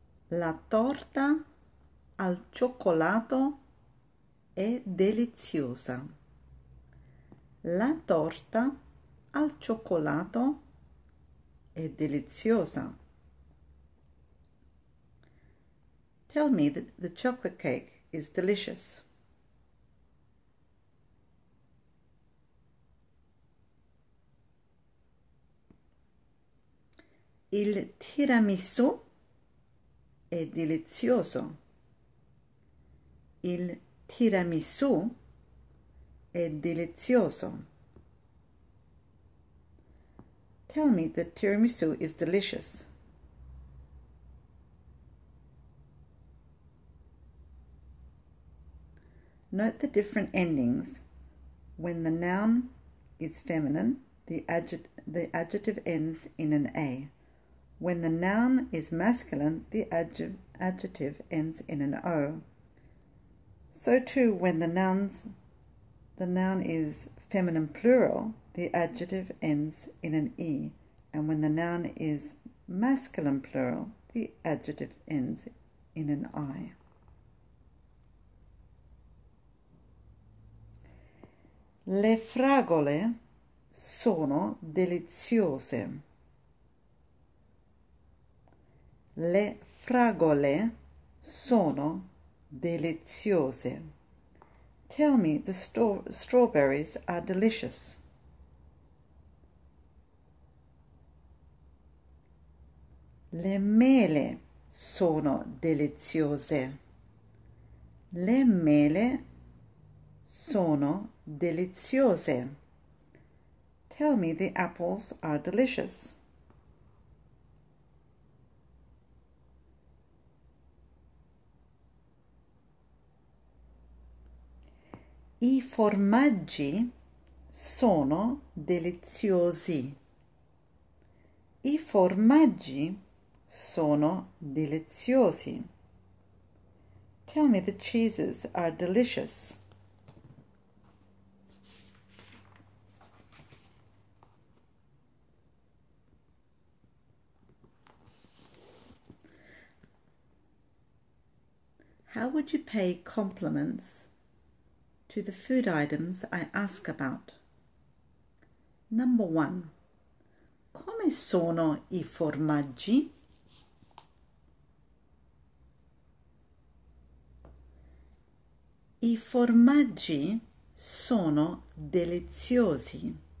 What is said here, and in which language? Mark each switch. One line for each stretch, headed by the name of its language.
Italian: La torta al cioccolato è deliziosa. La torta al cioccolato è deliziosa.
English: Tell me that the chocolate cake is delicious.
Italian: Il tiramisù è delizioso. Il tiramisù è delizioso.
English: Tell me the tiramisù is delicious. Note the different endings. When the noun is feminine, the adjective ends in an A. When the noun is masculine, the adjective ends in an O. So too, when the noun is feminine plural, the adjective ends in an E. And when the noun is masculine plural, the adjective ends in an I.
Italian: Le fragole sono deliziose. Le fragole sono deliziose.
English: Tell me the strawberries are delicious.
Italian: Le mele sono deliziose. Le mele sono deliziose.
English: Tell me the apples are delicious.
Italian: I formaggi sono deliziosi. I formaggi sono deliziosi.
English: Tell me the cheeses are delicious. How would you pay compliments to the food items I ask about? Number one,
Italian: come sono I formaggi? I formaggi sono deliziosi.